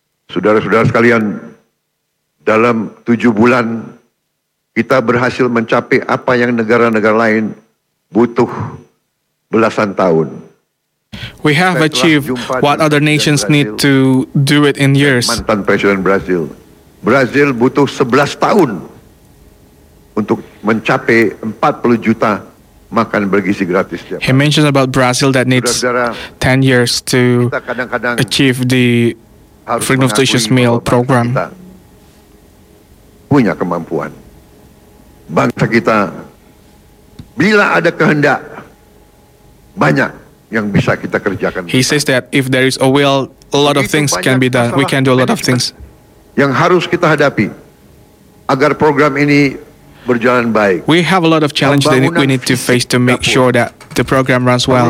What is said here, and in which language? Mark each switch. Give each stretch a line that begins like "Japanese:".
Indonesian: Saudara-saudara sekalian, dalam 7 bulan kita berhasil mencapai apa yang negara-negara lain butuh belasan tahun.
English: We have achieved what other nations need to do it in years.
Indonesian: Mantan Presiden Brazil. Brazil butuh 11 tahun untuk mencapai 40 juta makan bergizi gratis.
English: He mentioned about Brazil that needs 10 years to achieve the free nutritious meal program.
Indonesian: Punya kemampuan. Bangsa kita bila ada kehendak banyak yang bisa kita kerjakan.
English: He says that if there is a will, a lot of things can be done. We can do a lot of things.
Indonesian: Yang harus kita hadapi agar program ini berjalan baik.
English: We have a lot of challenges that we need to face to make sure that the program runs well.